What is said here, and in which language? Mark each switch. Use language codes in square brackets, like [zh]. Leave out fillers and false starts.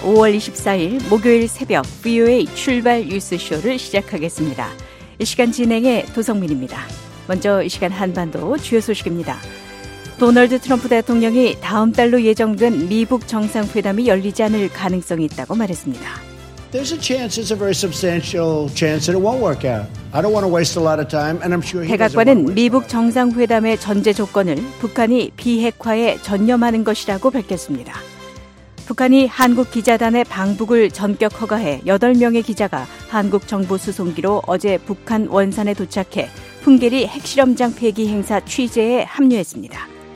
[ko] 5월 24일 목요일 새벽 VOA 출발 뉴스쇼를 시작하겠습니다. 이 시간 진행의 도성민입니다. 먼저 이 시간 한반도 주요 소식입니다. 도널드 트럼프 대통령이 다음 달로 예정된 미국 정상회담이 열리지 않을 가능성이 있다고 말했습니다. [en] There's a chance, it's a very substantial chance that it won't work out. I don't want to waste a lot of time, and I'm sure he doesn't. [ko] 백악관은 미국 정상회담의 전제 조건을 북한이 비핵화에 전념하는 것이라고 밝혔습니다. 북한이 한국 기자단의 방북을 전격 허가해 8명의 기자가 한국 정부 수송기로 어제 북한 원산에 도착해 풍계리 핵실험장 폐기 행사 취재에 합류했습니다.